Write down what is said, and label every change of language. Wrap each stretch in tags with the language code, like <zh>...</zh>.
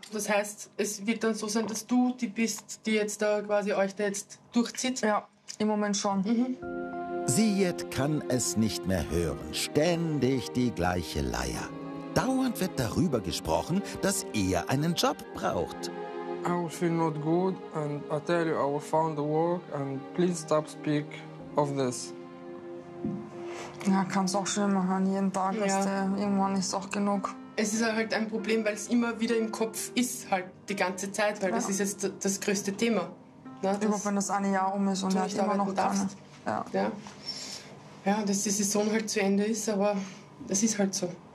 <de>Das heißt, es wird dann so sein, dass du die bist, die jetzt da quasi euch da jetzt durchzieht? Ja, im Moment schon. Mhm. Ziad kann es nicht mehr hören. Ständig die gleiche Leier. Dauernd wird darüber gesprochen, dass er einen Job braucht.</de> <en>I will feel not good and I tell you I will find the work and please stop speak of this.</en> <de>Ja, kannst auch schlimmer hören, jeden Tag, ja. Irgendwann ist auch genug. es ist halt ein Problem, weil es immer wieder im Kopf ist, halt die ganze Zeit, weil das ist jetzt das größte Thema. Ne? Überhaupt, wenn das eine Jahr um ist und er hat immer noch Angst. Ja, dass die Saison halt zu Ende ist, aber das ist halt so.</de>